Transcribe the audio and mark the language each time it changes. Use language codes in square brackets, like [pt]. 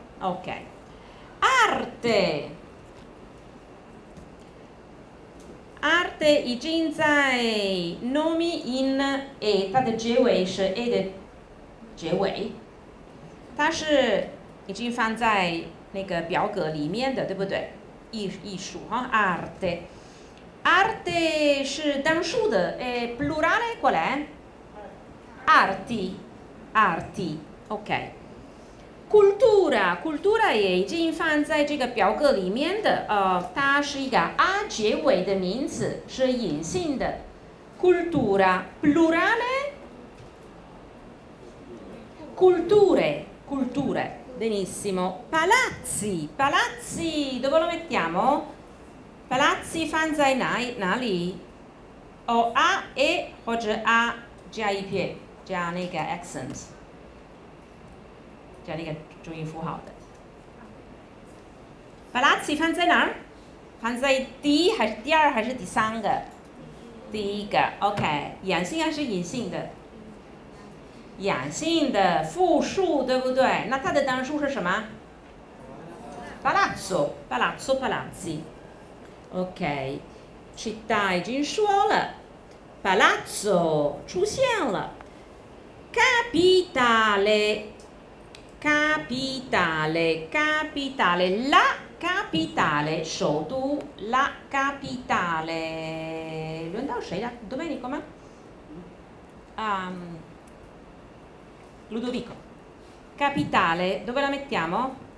[zh] OK， arte， arte 已经在 [it] nomi in e， [zh] 它的结尾是 e 的结尾，它是已经放在那个表格里面的，对不对？艺术、arte， arte 是单数的，plurale 过来arti， arti， OK。 cultura， cultura 也已经放在这个表格里面的，它是一个 a 结尾的名词，是隐性的。 [it] cultura， plurale culture， culture， benissimo。 palazzi， palazzi dove lo mettiamo？ [zh] palazzi 放在哪里？ o a e 或者 a 加一撇加那个 accent，加那个注音符号的。 Palazzi 放在哪儿？放在第一还是第二还是第三个？第一个 ，OK。阳性还是阴性的？阳性的复数，对不对？那它的单数是什么 ？Palazzo，Palazzo Palazzi。 OK， 期待已经说了 ，Palazzo 出现了 ，Capitale，Capitale，Capitale la。 [it] Capitale, [zh] 首都 [it] la capitale. [zh] 轮到谁了 ？Domenico 吗？ [it] Ludovico. Capitale, dove la mettiamo?